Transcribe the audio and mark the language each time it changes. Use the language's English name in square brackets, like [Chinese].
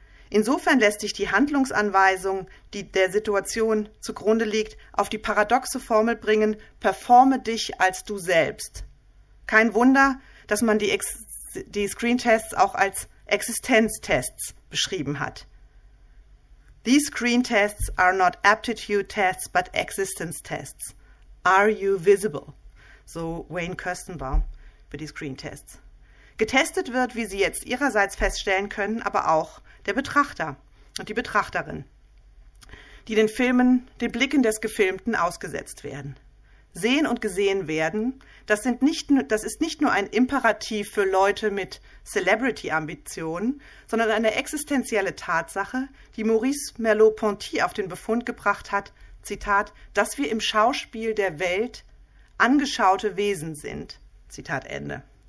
[German] Insofern lässt sich die Handlungsanweisung, die der Situation zugrunde liegt, auf die paradoxe Formel bringen: performe dich als du selbst. Kein Wunder, dass man die Screentests auch als Existenztests beschrieben hat. [English] These Screentests are not aptitude tests, but existence tests. Are you visible? [German] So Wayne Kirstenbaum für die Screentests. Getestet wird, wie Sie jetzt ihrerseits feststellen können, aber auch der Betrachter und die Betrachterin, die den Blicken des Gefilmten ausgesetzt werden. Sehen und gesehen werden, das ist nicht nur ein Imperativ für Leute mit Celebrity-Ambitionen, sondern eine existenzielle Tatsache, die Maurice Merleau-Ponty auf den Befund gebracht hat, Zitat, dass wir im Schauspiel der Welt angeschaute Wesen sind. Zitat Ende.